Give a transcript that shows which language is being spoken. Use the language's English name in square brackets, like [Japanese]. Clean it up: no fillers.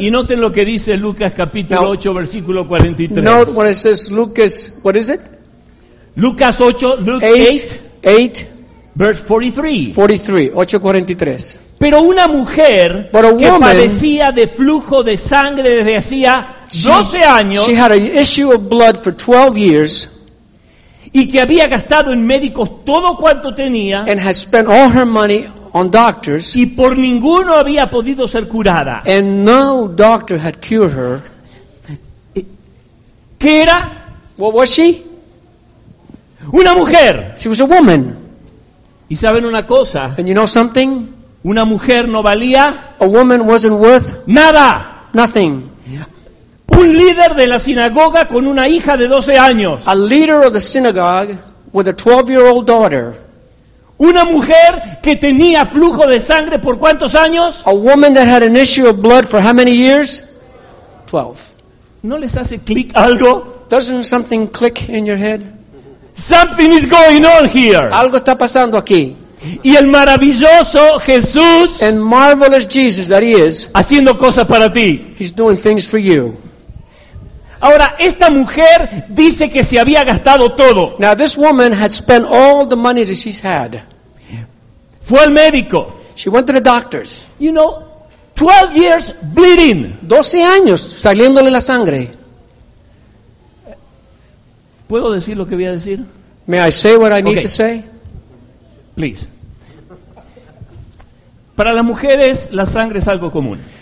[Spanish] Y noten lo que dice Lucas capítulo 8, versículo 43. [English] Note what it says, Lucas, what is it? [Spanish] Lucas 8, Luke [English] 8, verse 43. 43, 8:43. [Spanish] Pero una mujer que padecía de flujo de sangre desde hacía 12 años. [English] She had an issue of blood for 12 years. [Spanish] Y que había gastado en médicos todo cuanto tenía. [English] And had spent all her money on doctors. [Spanish] Y por ninguno había podido ser curada. [English] And no doctor had cured her. [Spanish] ¿Qué era? [English] What was she? [Spanish] Una mujer. [English] She was a woman. [Spanish] ¿Y saben una cosa? [English] And you know something? [Spanish] Una mujer no valía. [English] A woman wasn't worth. [Spanish] Nada. [English] Nothing. [Spanish] Un líder de la sinagoga con una hija de 12 años. [English] A leader of the synagogue with a 12-year-old daughter. [Spanish] Una mujer que tenía flujo de sangre por ¿cuántos años? [English] A woman that had an issue of blood for how many years? 12. [Spanish] ¿No les hace click algo? [English] Doesn't something click in your head? Something is going on here. [Spanish] Algo está pasando aquí. Y el maravilloso Jesús, [English] and marvelous Jesus that he is, [Spanish] haciendo cosas para ti. [English] He's doing things for you. [Spanish] Ahora esta mujer dice que se había gastado todo. [English] Now this woman had spent all the money that she's had. [Spanish] Fue al médico. [English] She went to the doctors. You know, 12 years bleeding. [Spanish] 12 años saliéndole la sangre. ¿Puedo decir lo que voy a decir? [English] May I say what I need to say? Please. [Spanish] Para las mujeres la sangre es algo común.